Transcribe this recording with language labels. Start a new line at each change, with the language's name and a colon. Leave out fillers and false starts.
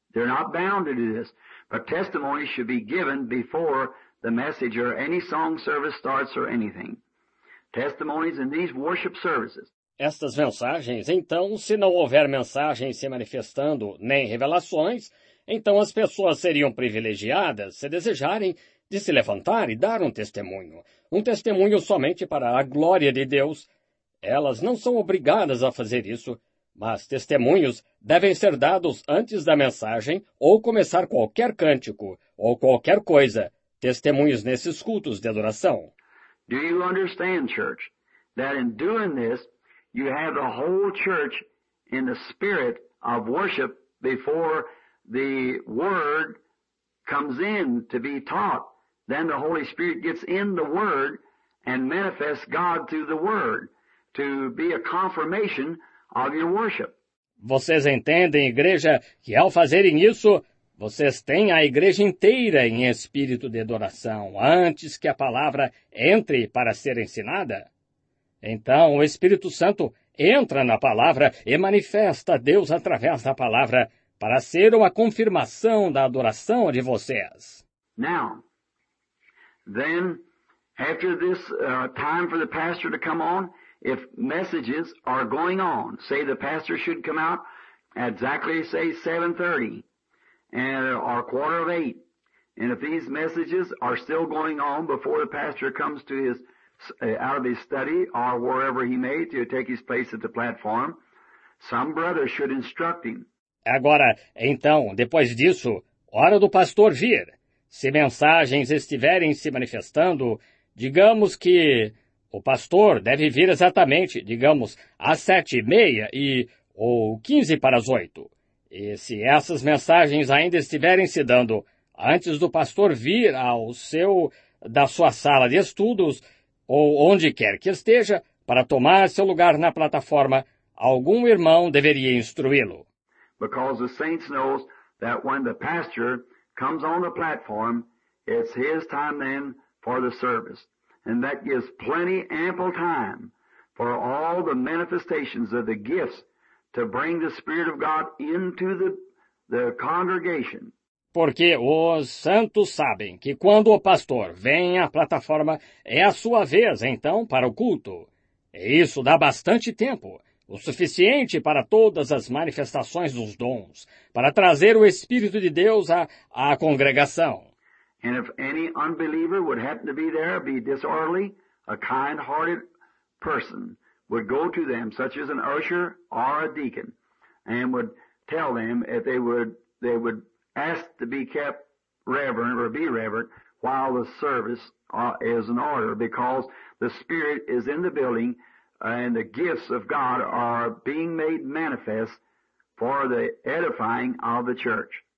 English: They're not bound to do this, but testimony should be given before the message or any song service starts or anything. Testimonies in these worship services.
Portuguese: Estas mensagens, então, se não houver mensagens se manifestando, nem revelações, então as pessoas seriam privilegiadas, se desejarem, de se levantar e dar um testemunho somente para a glória de Deus. Elas não são obrigadas a fazer isso, mas testemunhos devem ser dados antes da mensagem ou começar qualquer cântico ou qualquer coisa, testemunhos nesses cultos de adoração.
English: Do you understand, church, that in doing this, you have the whole church in the spirit of worship before the word comes in to be taught. Then the Holy Spirit gets in the word and manifests God through the word to be a confirmation of your worship.
Portuguese: Vocês entendem, igreja, que ao fazerem isso, vocês têm a igreja inteira em espírito de adoração antes que a palavra entre para ser ensinada? Então, o Espírito Santo entra na palavra e manifesta Deus através da palavra para ser uma confirmação da adoração de vocês.
English: Now, then, after this time for the pastor to come on, if messages are going on, say the pastor should come out at exactly, say, 7:30 or 7:45, and if these messages are still going on before the pastor comes to his out of his study or wherever he may to take his place at the platform, some brother should instruct him.
Portuguese: Agora, então, depois disso, hora do pastor vir. Se mensagens estiverem se manifestando, digamos que o pastor deve vir exatamente, digamos, às 7:30 e ou 7:45. E se essas mensagens ainda estiverem se dando antes do pastor vir ao seu da sua sala de estudos, ou onde quer que esteja, para tomar seu lugar na plataforma, algum irmão deveria instruí-lo.
English: Because the saints knows that when the pastor comes on the platform, it's his time then for the service. And that gives plenty ample time for all the manifestations of the gifts to bring the Spirit of God into the congregation.
Portuguese: Porque os santos sabem que quando o pastor vem à plataforma, é a sua vez, então, para o culto. E isso dá bastante tempo, o suficiente para todas as manifestações dos dons, para trazer o Espírito de Deus à congregação. E se algum
English: unbeliever would happen to be there, be disorderly, a kind-hearted person would go to them, such as an usher or a deacon, and would tell them if they would ask to be kept reverent or be reverent while the service is in order, because the Spirit is in the building and the gifts of God are being made manifest for the edifying of the church.